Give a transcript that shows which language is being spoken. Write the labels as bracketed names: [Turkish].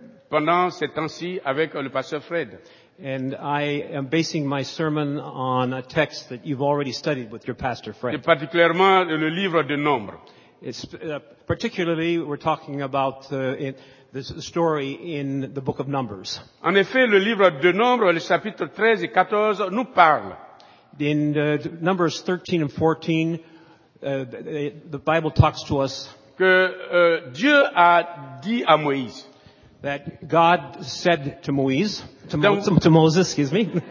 [French] Pendant ces temps-ci avec le pasteur Fred. [English] And I am basing my sermon on a text that you've already studied with your pastor Fred. [French] Et particulièrement le livre de Nombres. [English] Particularly we're talking about the story in the book of Numbers. [French] En effet, le livre de Nombres, les chapitres 13 et 14 nous parle. [English] In Numbers 13 and 14, the Bible talks to us [French] que Dieu a dit à Moïse. [English] That God said to Moïse, to Moses, excuse me.